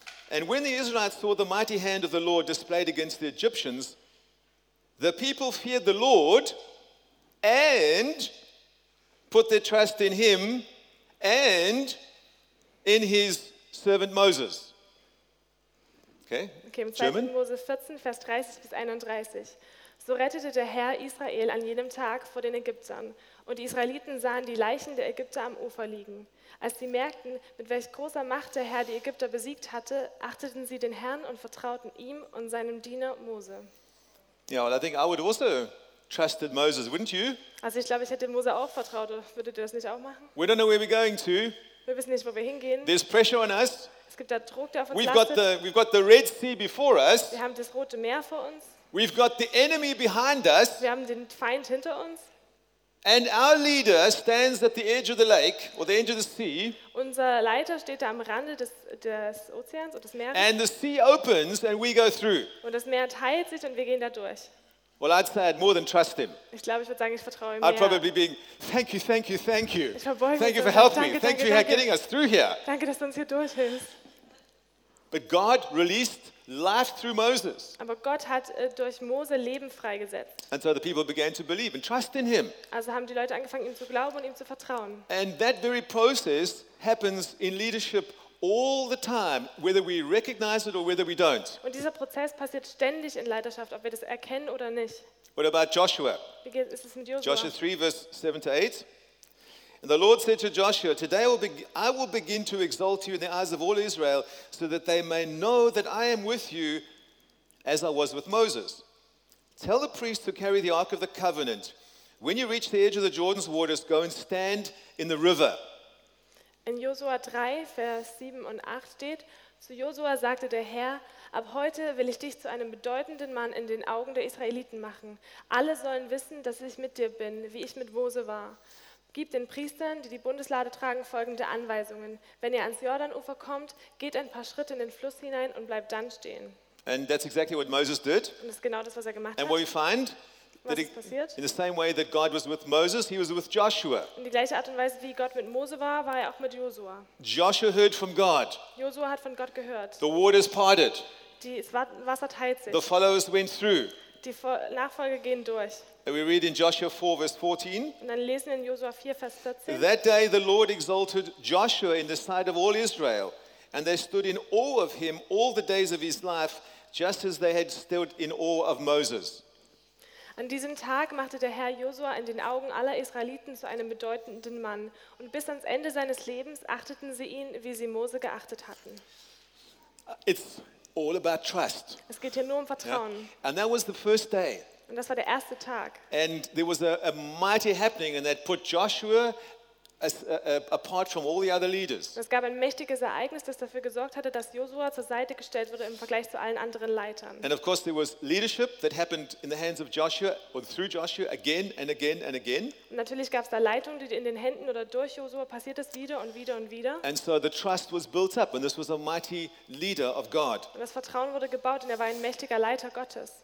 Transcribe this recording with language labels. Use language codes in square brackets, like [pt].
[en] And when the Israelites saw the mighty hand of the Lord displayed against the Egyptians, the people feared the Lord and put their trust in him and in his servant Moses. Okay, [de] im 2. Mose 14, Vers 30 bis 31. So rettete der Herr Israel an jenem Tag vor den Ägyptern. Und die Israeliten sahen die Leichen der Ägypter am Ufer liegen. Als sie merkten, mit welch großer Macht der Herr die Ägypter besiegt hatte, achteten sie den Herrn und vertrauten ihm und seinem Diener Mose. [en] Yeah, well, I think I would also trusted Moses, wouldn't you? [de] Also ich glaube, ich hätte Mose auch vertraut. Würdet ihr das nicht auch machen? [en] We don't know where we're going to. [de] Wir wissen nicht, wo wir hingehen. [en] There's pressure on us. [de] Es gibt da Druck, der auf uns lastet. [en] We've got the Red Sea before us. [de] Wir haben das Rote Meer vor uns. [en] We've got the enemy behind us. [de] Wir haben den Feind hinter uns. [en] And our leader stands at the edge of the lake or the edge of the sea. [de] Unser Leiter steht da am Rande des Ozeans oder des Meeres. [en] And the sea opens and we go through. [de] Und das Meer teilt sich und wir gehen da durch. [en] Well, I'd say I'd more than trust him. [de] Ich glaube, ich würde sagen, ich vertraue ihm mehr. [en] I'd probably be, thank you, thank you, thank you. [de] Ich verbeuge mich. [en] Thank you for helping me. Thank you for getting us through here. [de] Danke, dass du uns hier durchhilfst. [en] But God released life through Moses. [de] Aber Gott hat durch Mose Leben freigesetzt. [en] And so the people began to believe and trust in him. [de] Also haben die Leute angefangen, ihm zu glauben und ihm zu vertrauen. [en] And that very process happens in leadership all the time, whether we recognize it or whether we don't. [de] Und dieser Prozess passiert ständig in Leiterschaft, ob wir das erkennen oder nicht. [en] What about Joshua? [de] Wie geht es mit Joshua? [en] Joshua 3, verse 7 to 8. And the Lord said to Joshua, "Today I will begin to exalt you in the eyes of all Israel, so that they may know that I am with you, as I was with Moses. Tell the priests to carry the Ark of the Covenant. When you reach the edge of the Jordan's waters, go and stand in the river." [de] In Josua 3, Vers 7 und 8 steht, zu Josua sagte der Herr, ab heute will ich dich zu einem bedeutenden Mann in den Augen der Israeliten machen. Alle sollen wissen, dass ich mit dir bin, wie ich mit Mose war. Gib den Priestern, die die Bundeslade tragen, folgende Anweisungen. Wenn ihr ans Jordanufer kommt, geht ein paar Schritte in den Fluss hinein und bleibt dann stehen. [en] And that's exactly what Moses did. [de] Und das ist genau das, was er gemacht hat. [en] And what we find, in the same way that God was with Moses, he was with Joshua. [de] In die gleiche Art und Weise, wie Gott mit Mose war, war er auch mit Josua. [en] Joshua heard from God. [de] Josua hat von Gott gehört. [en] The waters parted. [de] Das Wasser teilt sich. [en] The followers went through. [de] Die Nachfolger gehen durch. [en] And we read in Joshua 4, verse 14. [de] Und dann lesen wir in Josua 4, Vers 14. [en] That day the Lord exalted Joshua in the sight of all Israel, and they stood in awe of him all the days of his life, just as they had stood in awe of Moses. [de] An diesem Tag machte der Herr Josua in den Augen aller Israeliten zu einem bedeutenden Mann, und bis ans Ende seines Lebens achteten sie ihn, wie sie Mose geachtet hatten. [en] It's all about trust. [de] Es geht hier nur um Vertrauen. [en] Yeah. And that was the first day. [de] Und das war der erste Tag. [en] And there was a mighty happening, and that put Joshua apart from all the other leaders. [de] Es gab ein mächtiges Ereignis, das dafür gesorgt hatte, dass Josua zur Seite gestellt wurde im Vergleich zu allen anderen Leitern. [en] And of course there was leadership that happened in the hands of Joshua or through Joshua again and again and again. [de] Und natürlich gab es da Leitung, die in den Händen oder durch Josua passiert ist, wieder und wieder und wieder. [en] And so the trust was built up, and this was a mighty leader of God. [de] Und das Vertrauen wurde gebaut, und er war ein mächtiger Leiter Gottes.